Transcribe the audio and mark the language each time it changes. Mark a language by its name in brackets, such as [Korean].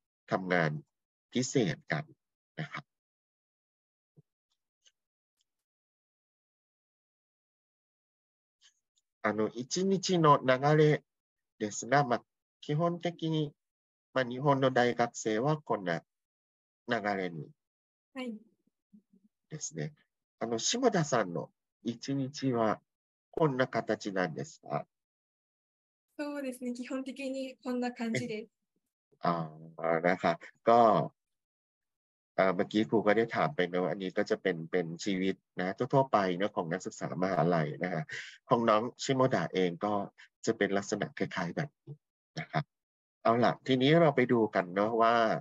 [Thai] ทำงานพิเศษกันนะครับอันนี้ [Japanese] 1日の流れですが、まあ基本的にまあ日本の大学生はこんな流れにはいですね。下田さんの1日はこんな形なんですか？そうですね。基本的にこんな感じです。 [Thai] นะคะก็เมื่อกี้ครูก็ได้ถามไปนะว่าอันนี้ก็จะเป็นชีวิตนะทั่วไปนะของนักศึกษามหาลัยนะฮะของน้องชิโมดะเองก็จะเป็นลักษณะคล้ายๆแบบนี้นะครับเอาล่ะทีนี้เราไปดูกันเนาะว่า